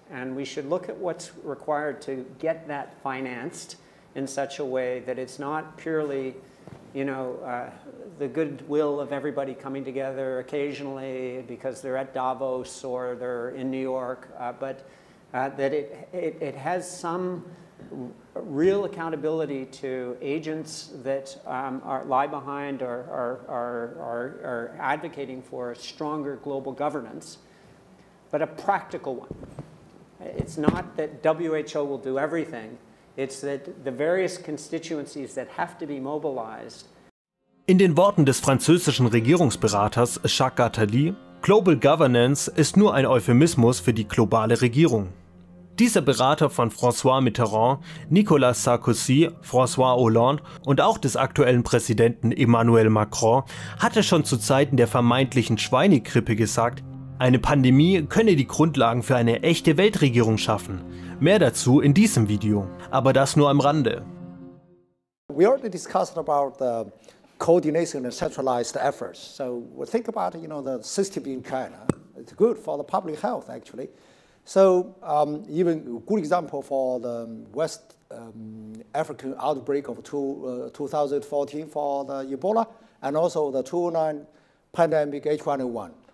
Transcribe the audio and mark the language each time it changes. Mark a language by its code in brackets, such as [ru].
[en] And we should look at what's required to get that financed in such a way that it's not purely, you know, the goodwill of everybody coming together occasionally because they're at Davos or they're in New York, but that it has some real accountability to agents that lie behind or are advocating for a stronger global governance. But a practical one. It's not that WHO will do everything, it's that the various constituencies that have to be mobilized. [de] In den Worten des französischen Regierungsberaters Jacques Attali, Global Governance ist nur ein Euphemismus für die globale Regierung. Dieser Berater von François Mitterrand, Nicolas Sarkozy, François Hollande und auch des aktuellen Präsidenten Emmanuel Macron hatte schon zu Zeiten der vermeintlichen Schweinegrippe gesagt, eine Pandemie könne die Grundlagen für eine echte Weltregierung schaffen. Mehr dazu in diesem Video, aber das nur am Rande. [en] We already discussed about the coordination and centralized efforts. So we think about, you know, the system in China. It's good for the public health, actually. So even a good example for the West African outbreak of 2014 for the Ebola and also the 2009 pandemic H1N1.